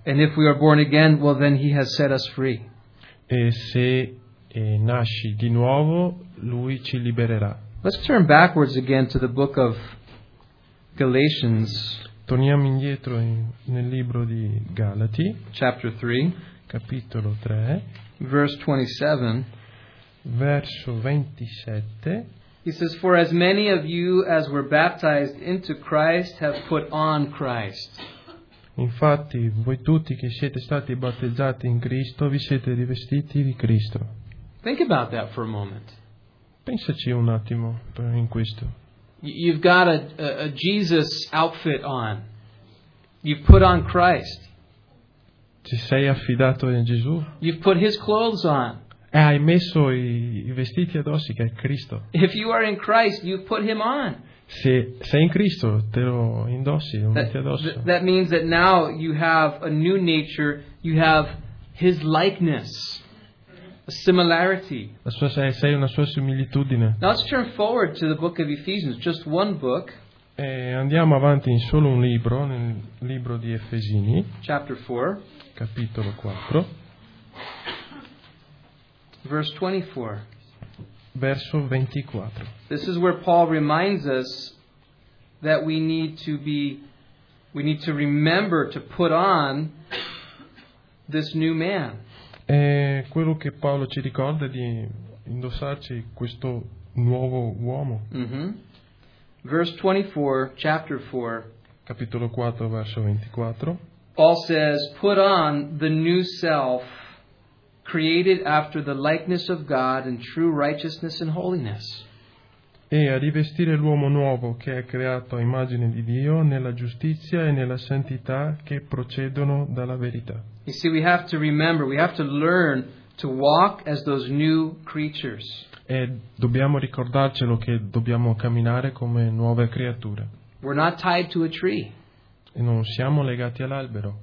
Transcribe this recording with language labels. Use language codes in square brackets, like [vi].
[en] And if we are born again, well then he has set us free. [it] E se nasci di nuovo, lui ci libererà. [en] Let's turn backwards again to the book of Galatians. [it] Torniamo indietro nel libro di Galati, [en] chapter 3, [it] capitolo 3, [en] verse 27. [it] Verso 27. [en] He says, "For as many of you as were baptized into Christ have put on Christ." [it] Infatti, voi tutti che siete stati battezzati in Cristo, vi siete rivestiti di Cristo. [en] Think about that for a moment. [it] Pensaci un attimo in questo. [en] You've got a Jesus outfit on. You've put on Christ. [it] Ti sei affidato in Gesù. [en] You've put his clothes on. [it] E hai messo i vestiti addosso che è Cristo. [en] If you are in Christ, you've put him on. [it] Se sei in Cristo, te lo indossi, lo metti addosso. [en] That means that now you have a new nature, you have his likeness. A similarity. [it] Sei una sua similitudine. [en] Now let's turn forward to the book of Ephesians, just one book. [it] E andiamo avanti in solo un libro, nel libro di Efesini. [en] Chapter 4. [it] Capitolo 4. [en] Verse 24. [it] Verso 24. [en] This is where Paul reminds us that we need to remember to put on this new man. [it] È quello che Paolo ci ricorda di indossarci questo nuovo uomo. [en] Mm-hmm. Verse 24, chapter 4. [it] Capitolo 4, verso 24. [en] Paul says, "Put on the new self, created after the likeness of God in true righteousness and holiness." [it] E a rivestire l'uomo nuovo che è creato a immagine di Dio nella giustizia e nella santità che procedono dalla verità. [en] You see, we have to remember, we have to learn to walk as those new creatures. [it] E dobbiamo ricordarcelo che dobbiamo camminare come nuove creature. [en] We're not tied to a tree. [it] E non siamo legati all'albero.